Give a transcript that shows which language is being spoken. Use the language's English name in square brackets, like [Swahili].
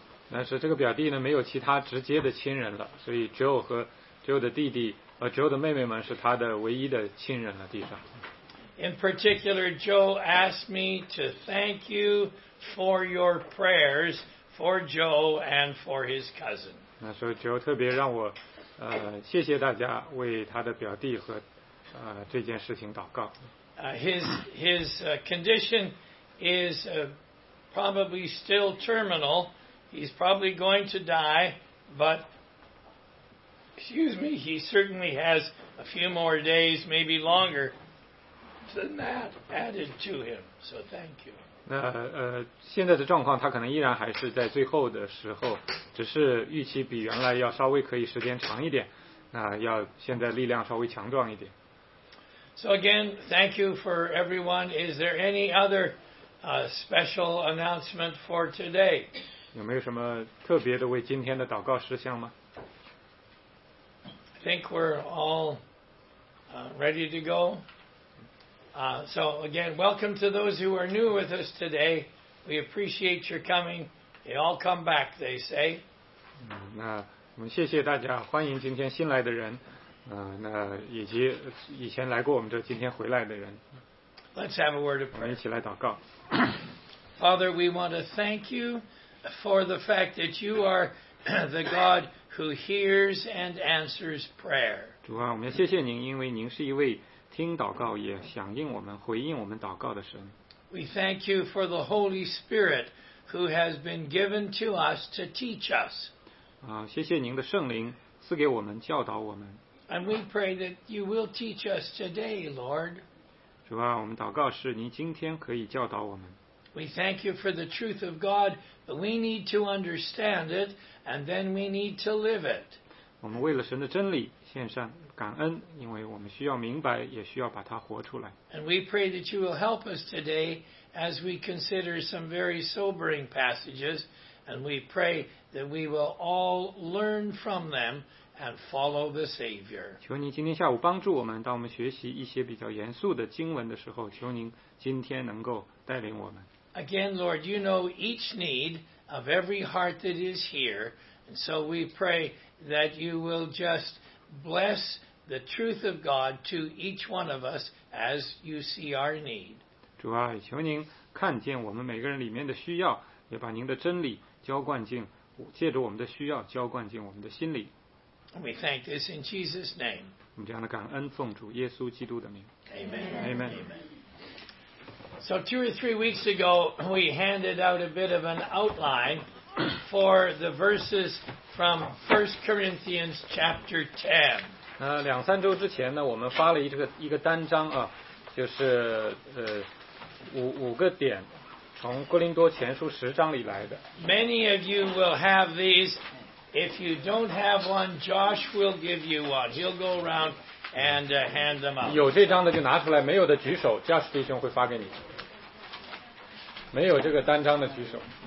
[Chinese] 但是这个表弟呢没有其他直接的亲人了，所以 Joe 和 Joe 的弟弟和 Joe 的妹妹们是他的唯一的亲人了。地上 [English] In particular, Joe asked me to thank you for your prayers for Joe and for his cousin. [Chinese] 那时候 Joe 特别让我谢谢大家为他的表弟和这件事情祷告。 [English] His condition is probably still terminal. He's probably going to die, but he certainly has a few more days, maybe longer than that added to him. So thank you. [Chinese] 那现在的状况，他可能依然还是在最后的时候，只是预期比原来要稍微可以时间长一点，那要现在力量稍微强壮一点。 [English] So again, thank you for everyone. Is there any other special announcement for today? [Chinese] 有没有什么特别的为今天的祷告事项吗？ [English] I think we're all ready to go. So again, welcome to those who are new with us today. We appreciate your coming. They all come back, they say. [Chinese] 那我们谢谢大家，欢迎今天新来的人，那以及以前来过我们这今天回来的人。 [English] Let's have a word of prayer. [Chinese] 我们一起来祷告。 [English] Father, we want to thank you for the fact that you are the God who hears and answers prayer. [Chinese] 主啊，我们谢谢您，因为您是一位听祷告也响应我们、回应我们祷告的神。 [English] We thank you for the Holy Spirit who has been given to us to teach us. [Chinese] 谢谢您的圣灵赐给我们、教导我们。 [English] And we pray that you will teach us today, Lord. [Chinese] 主啊，我们祷告是您今天可以教导我们。 [English] We thank you for the truth of God, but we need to understand it, and then we need to live it. [Chinese] 我们为了神的真理献上感恩，因为我们需要明白，也需要把它活出来。 [English] And we pray that you will help us today as we consider some very sobering passages, and we pray that we will all learn from them and follow the Savior. [Chinese] 求您今天下午帮助我们，当我们学习一些比较严肃的经文的时候，求您今天能够带领我们。 [English] Again, Lord, you know each need of every heart that is here, and so we pray that you will just bless the truth of God to each one of us as you see our need. [Chinese] 主啊，求您看见我们每个人里面的需要，也把您的真理浇灌进，借着我们的需要浇灌进我们的心里。 [English] We thank this in Jesus' name. [Chinese] 我们这样的感恩奉主耶稣基督的名。 [English] Amen. Amen. So two or three weeks ago, we handed out a bit of an outline for the verses from 1 Corinthians chapter 10. [Chinese] 两三周之前呢，我们发了一个单章啊，就是五个点，从哥林多前书十章里来的。 [English] Many of you will have these. If you don't have one, Josh will give you one. He'll go around and hand them out. [Chinese] 有这张的就拿出来，没有的举手 ，Josh 弟兄会发给你。没有这个单张的举手。